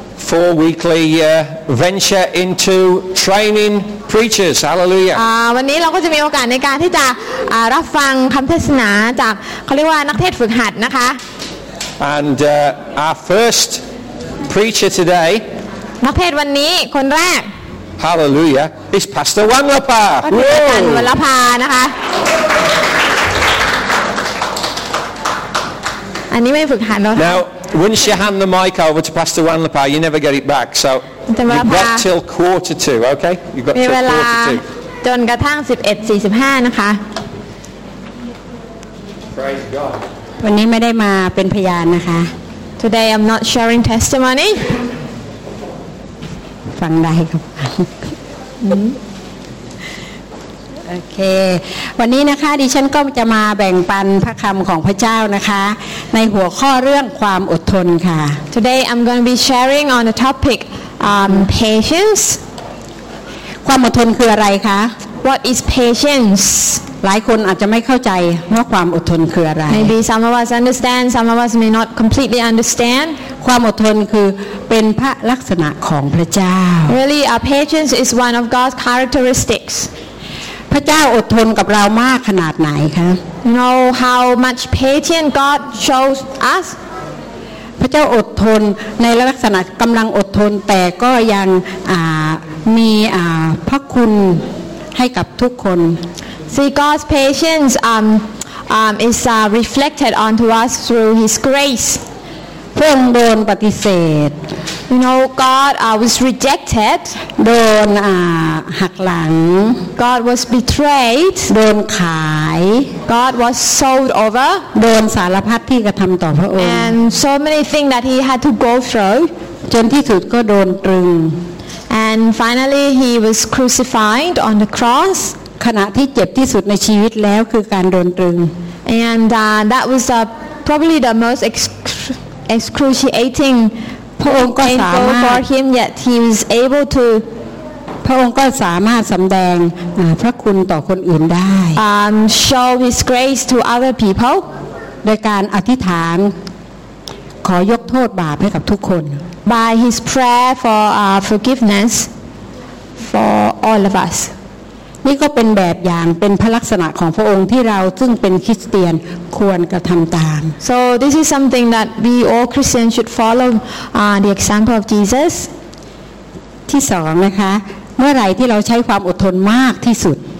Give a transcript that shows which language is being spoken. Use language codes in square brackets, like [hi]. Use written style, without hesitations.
[en] 4-weekly venture into training preachers. Hallelujah. [th] วันนี้เราก็จะมีโอกาสในการที่จะรับฟังคำเทศนาจากเขาเรียกว่านักเทศฝึกหัดนะคะ [en] And our first preacher today. [th] นักเทศวันนี้คนแรก [en] Hallelujah. It's Pastor Wanglapa. [th] Wanglapa, นะคะอันนี้ไม่ฝึกหัดเนาะ [en] Now, once you hand the mic over to Pastor Wanglapa, you never get it back. So, you've got till 1:45, okay? You've got till 1:45. [th] จนกระทั่ง 11:45 นะคะ [en] Praise God. [th] วันนี้ไม่ได้มาเป็นพยานนะคะ [en] Today, I'm not sharing testimony. [th] ฟังได้ครับโอเควันนี้นะคะดิฉันก็จะมาแบ่งปันพระคำของพระเจ้านะคะในหัวข้อเรื่องความอดทนค่ะ [en] Today I'm going to be sharing on the topic patience [th] ความอดทนคืออะไรคะ [en] What is patience [th] หลายคนอาจจะไม่เข้าใจว่าความอดทนคืออะไร [en] Maybe some of us understand some of us may not completely understand [th] ความอดทนคือเป็นพระลักษณะของพระเจ้า [en] Really our patience is one of God's characteristics [th] พระเจ้าอดทนกับเรามากขนาดไหนคะ [en] You know how much patience God shows us [th] พระเจ้าอดทนในลักษณะกำลังอดทนแต่ก็ยังมีพระคุณให้กับทุกคน [en] See God's patience is reflected onto us through His grace [th] พระองค์โดนปฏิเสธ [en] You know God was rejected [th] โดนหักหลัง [en] God was betrayed [th] โดนขาย [en] God was sold over [th] โดนสารพัดที่กระทำต่อพระองค์ [en] And so many things that he had to go through [th] จนที่สุดก็โดนตรึง [en] And finally he was crucified on the cross [th] ขณะที่เจ็บที่สุดในชีวิตแล้วคือการโดนตรึง [en] And that was probably the most excruciating for him yet he was able to [th] พระองค์ก็สามารถสำแดงพระคุณต่อคนอื่นได้ [en] show his grace to other people [th] โดยการอธิษฐานขอยกโทษบาปให้กับทุกคน [en] by his prayer for forgiveness for all of us [th] นี่ก็เป็นแบบอย่างเป็นพระลักษณะของพระองค์ที่เราซึ่งเป็นคริสเตียนควรกระทำตาม [en] So this is something that we all Christians should follow the example of Jesus [th] ที่สองนะคะเมื่อไหร่ที่เราใช้ความอดทนมากที่สุด